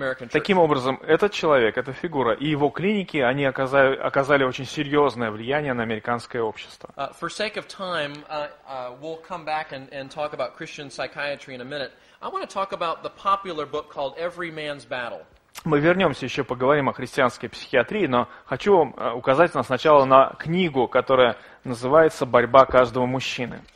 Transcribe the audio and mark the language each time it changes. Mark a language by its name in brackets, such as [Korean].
[Russian] Таким образом, этот человек, эта фигура и его клиники, они оказали очень серьезное влияние на американское общество. [English] For sake of time, we'll come back and talk about Christian psychiatry in a minute. I want to talk about the popular book called Every Man's Battle. [Russian] Мы вернемся, еще поговорим о христианской психиатрии, но хочу вам указать сначала на книгу, которая называется «Борьба каждого мужчины».